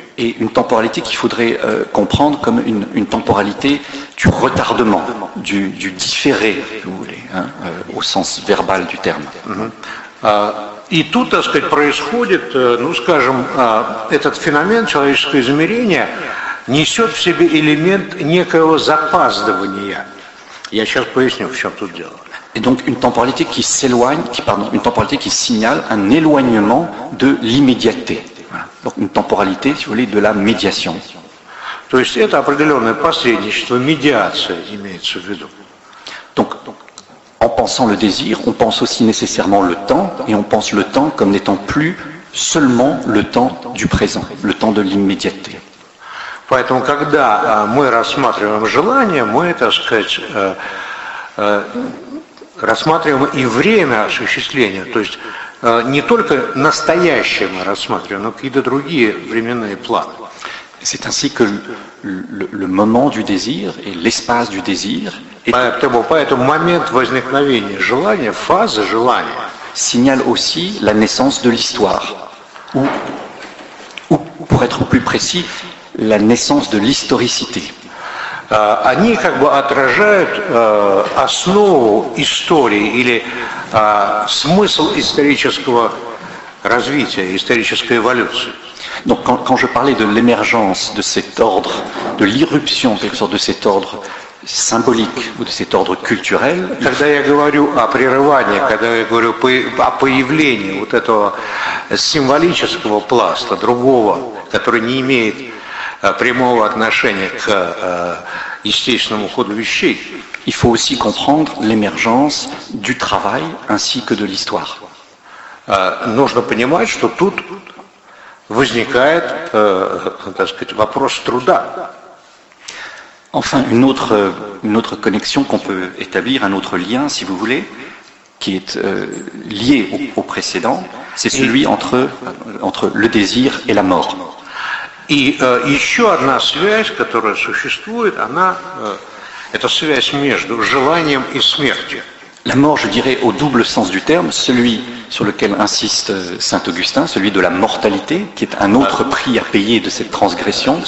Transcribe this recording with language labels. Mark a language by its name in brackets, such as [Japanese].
[French] Et une temporalité qu'il faudrait comprendre comme une temporalité du retardement, du différé, si vous voulez, hein, au sens verbal du terme. [Russian] И тут, так сказать, происходит, ну скажем, этот феномен человеческого измерения несет в себе элемент некоего запаздывания. Я сейчас поясню, в чем тут дело. [French] Et donc une temporalité qui s'éloigne, une temporalité qui signale un éloignement de l'immédiateté. Donc une temporalité, si vous voulez, de la médiation. [Russian] То есть это определенное посредничество, медиация имеется в виду. [French] Donc, en pensant le désir, on pense aussi nécessairement le temps, et on pense le temps comme n'étant plus seulement le temps du présent, le temps de l'immédiateté. [Russian] Поэтому, когда мы рассматриваем желание, мы, так сказать, рассматриваем и время осуществления, то есть не только настоящее мы рассматриваем, но какие-то другие временные планы. [French] C'est ainsi que le moment du désir et l'espace du désir [Russian] поэтому момент возникновения желания, фаза желания [French] signale aussi la naissance de l'histoire. Ou, pour être plus précis, la naissance de l'historicité. [Russian] Они как бы отражают основу истории или смысл исторического развития, исторической эволюции. [French] Donc quand je parlais de l'émergence de cet ordre, de l'irruption, quelque sorte, de cet ordre symbolique ou de cet ordre culturel, [Russian] когда я говорю о прерывании, когда я говорю о появлении вот этого символического пласта другого, который не имеет прямого отношения к естественному ходу вещей, [French] il faut aussi comprendre l'émergence du travail ainsi que de l'histoire. [Russian] Нужно понимать, что тут возникает, так сказать, вопрос труда. [French] Enfin, une autre connexion qu'on peut établir, un autre lien, si vous voulez, qui est lié au précédent, c'est celui entre le désir et la mort. [Russian] И еще одна связь, которая существует, она это связь между желанием и смертью. [French] La mort, je dirais, au double sens du terme, celui sur lequel insiste saint Augustin, celui de la mortalité, qui est un autre prix à payer de cette transgression.